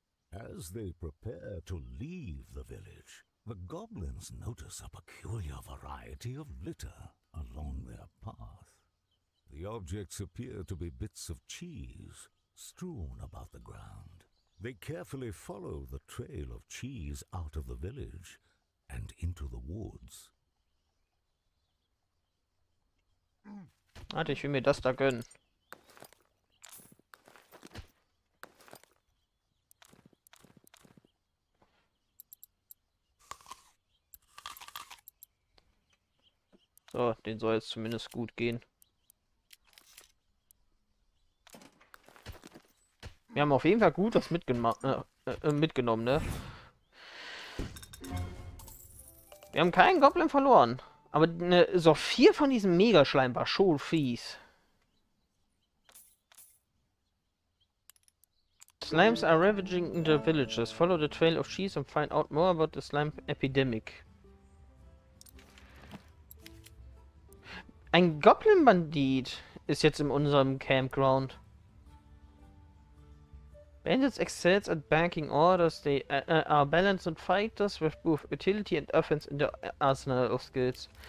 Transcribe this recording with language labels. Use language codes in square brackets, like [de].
[en] As they prepare to leave the village, the goblins notice a peculiar variety of litter along their path. The objects appear to be bits of cheese strewn about the ground. They carefully follow the trail of cheese out of the village and into the woods. [de] Warte, ich will mir das da gönnen. So, den soll jetzt zumindest gut gehen. Wir haben auf jeden Fall gut was mitgenommen, ne? Wir haben keinen Goblin verloren. Aber ne, so viel von diesem Megaschleim war schon fies. [en] Slimes are ravaging in the villages. Follow the trail of cheese and find out more about the slime epidemic. [de] Ein Goblin-Bandit ist jetzt in unserem Campground. [en] Bandits excels at banking orders. They are balanced and fighters with both utility and offense in their arsenal of skills.